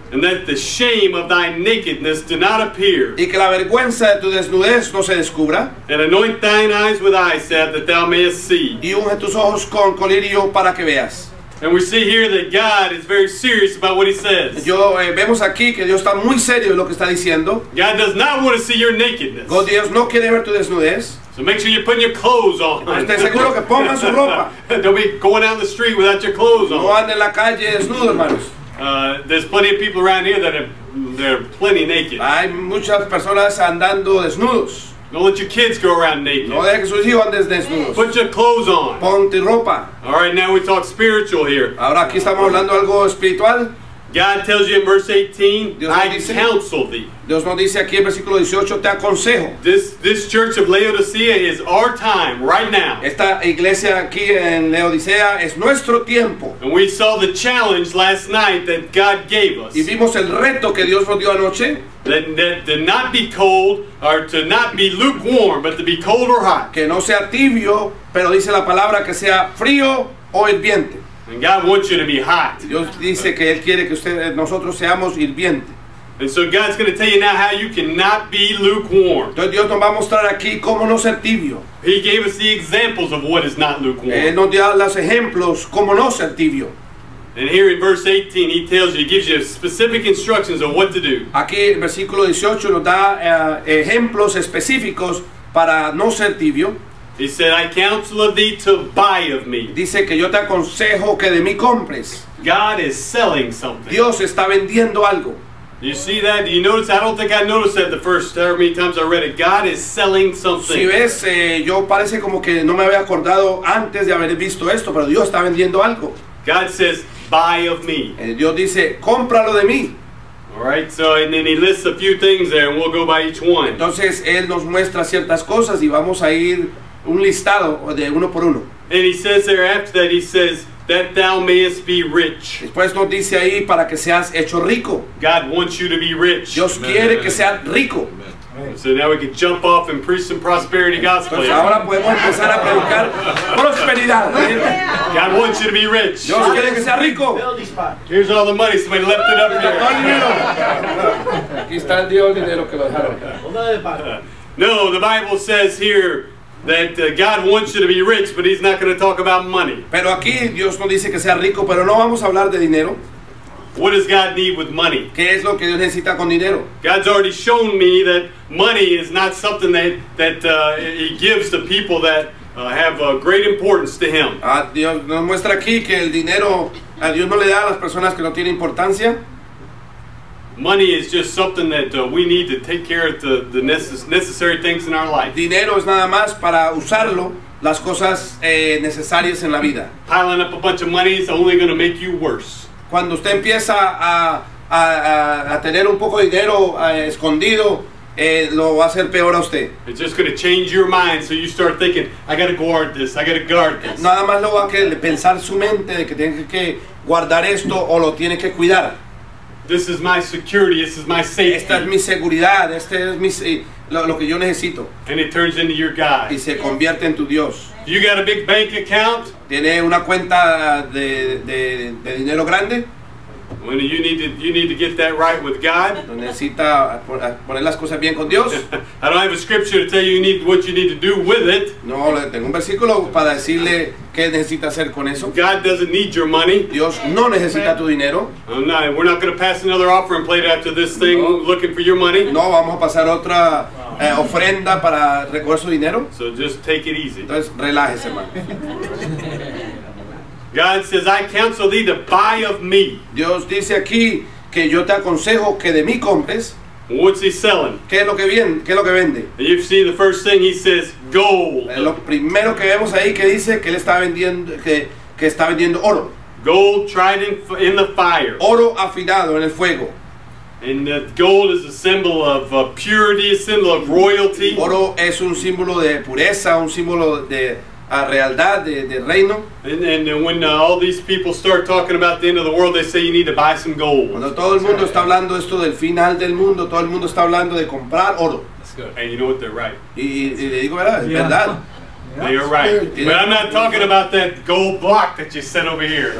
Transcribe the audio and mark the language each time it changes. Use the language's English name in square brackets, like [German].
[English] And that the shame of thy nakedness do not appear. [Spanish] Y que la vergüenza de tu desnudez no se descubra. [English] And anoint thine eyes with eye salve that thou mayest see. [Spanish] Y unge tus ojos con colirio para que veas. [English] And we see here that God is very serious about what He says. [Spanish] Vemos aquí que Dios está muy serio en lo que está diciendo. [English] God does not want to see your nakedness. [Spanish] God, Dios no quiere ver tu desnudez. [English] So make sure you put your clothes on. [Spanish] Esté seguro que ponga su ropa. [English] Don't be going out in the street without your clothes on. [Spanish] No ande en la calle desnudo, hermanos. [English] There's plenty of people around here that are plenty naked. [Spanish] Hay muchas personas andando desnudos. [English] Don't let your kids go around naked. [Spanish] No dejes sus hijos andes desnudos. [English] Put your clothes on. [Spanish] Ponte ropa. [English] All right, now we talk spiritual here. [Spanish] Ahora aquí estamos hablando algo espiritual. [English] God tells you in verse 18, I counsel thee. [Spanish] Dios nos dice aquí en versículo 18, te aconsejo. [English] This church of Laodicea is our time, right now. [Spanish] Esta iglesia aquí en Laodicea es nuestro tiempo. [English] And we saw the challenge last night that God gave us. [Spanish] Y vimos el reto que Dios nos dio anoche. [English] That to not be cold, or to not be lukewarm, but to be cold or hot. [Spanish] Que no sea tibio, pero dice la palabra que sea frío o hirviente. [English] And God wants you to be hot. [Spanish] Dios dice que él quiere que usted, nosotros seamos hirviente. [English] And so God's going to tell you now how you cannot be lukewarm. [Spanish] Entonces Dios nos va a mostrar aquí cómo no ser tibio. [English] He gave us the examples of what is not lukewarm. [Spanish] Él nos dio los ejemplos cómo no ser tibio. [English] And here in verse 18, he tells you, he gives you specific instructions of what to do. [Spanish] Aquí el versículo 18 nos da ejemplos específicos para no ser tibio. [English] He said, I counsel of thee to buy of me. [Spanish] Dice que yo te aconsejo que de mí compres. [English] God is selling something. [Spanish] Dios está vendiendo algo. [English] You see that? You notice? I don't think I noticed that the first or many times I read it. God is selling something. [Spanish] Si ves, yo parece como que no me había acordado antes de haber visto esto, pero Dios está vendiendo algo. [English] God says, buy of me. [Spanish] Dios dice, cómpralo de mí. [English] All right, so and then he lists a few things there and we'll go by each one. [Spanish] Entonces él nos muestra ciertas cosas y vamos a ir un listado de uno por uno. [English] And he says there after that, he says, that thou mayest be rich. [Spanish] Después nos dice ahí para que seas hecho rico. [English] God wants you to be rich. [Spanish] Dios quiere que seas rico. [English] So now we can jump off and preach some prosperity gospel. [Spanish] Pues ahora podemos empezar a predicar prosperidad. [English] God wants you to be rich. [Spanish] Dios quiere que seas rico. [English] Here's all the money. Somebody left it up here. [Spanish] Aquí está el dinero que lo dejaron. [English] No, the Bible says here that God wants you to be rich, but he's not going to talk about money. [Spanish] Pero aquí Dios nos dice que sea rico, pero no vamos a hablar de dinero. [English] What does God need with money? [Spanish] ¿Qué es lo que Dios necesita con dinero? [English] God's already shown me that money is not something that he gives to people that have a great importance to him. [Spanish] Dios nos muestra aquí que el dinero a Dios no le da a las personas que no tienen importancia. [English] Money is just something that we need to take care of the necessary things in our life. [Spanish] Dinero es nada más para usarlo las cosas necesarias en la vida. [English] Piling up a bunch of money is only going to make you worse. [Spanish] Cuando usted empieza a tener un poco de dinero escondido, lo va a hacer peor a usted. [English] It's just going to change your mind, so you start thinking, I got to guard this, I got to guard this. [Spanish] Nada más lo va a querer pensar su mente de que tiene que guardar esto o lo tiene que cuidar. [English] This is my security, this is my safety. [Spanish] Esta es mi seguridad, este es mi lo que yo necesito. [English] And it turns into your God. [Spanish] Y se convierte en tu Dios. [English] You got a big bank account? [Spanish] ¿Tiene una cuenta de dinero grande? [English] When you need to get that right with God. [Spanish] Necesita poner las cosas bien con Dios. [English] I don't have a scripture to tell you what you need to do with it. [Spanish] No, tengo un versículo para decirle qué necesita hacer con eso. [English] God doesn't need your money. [Spanish] Dios no necesita tu dinero. [English] We're not going to pass another offering plate after this thing looking for your money. [Spanish] No, vamos a pasar otra ofrenda para recoger su dinero. [English] So just take it easy. [Spanish] Entonces relájese, hermano. [English] God says, I counsel thee to buy of me. [Spanish] Dios dice aquí que yo te aconsejo que de mí compres. [English] What's he selling? [Spanish] ¿Qué es lo que viene? ¿Qué es lo que vende? [English] You see the first thing he says, gold. [Spanish] Lo primero que vemos ahí que dice que él está vendiendo, que está vendiendo oro. [English] Gold tried in the fire. [Spanish] Oro afinado en el fuego. [English] And that gold is a symbol of purity, a symbol of royalty. [Spanish] Oro es un símbolo de pureza, un símbolo de a realidad de reino. [English] And when all these people start talking about the end of the world, they say you need to buy some gold. [Spanish] Cuando todo el mundo está hablando esto del final del mundo, todo el mundo está hablando de comprar oro. [English] And you know what, they're right. [Spanish] Y le digo, ¿verdad? Yeah. Verdad. [English] Yeah, they are right. Good. But I'm not talking about that gold block that you sent over here.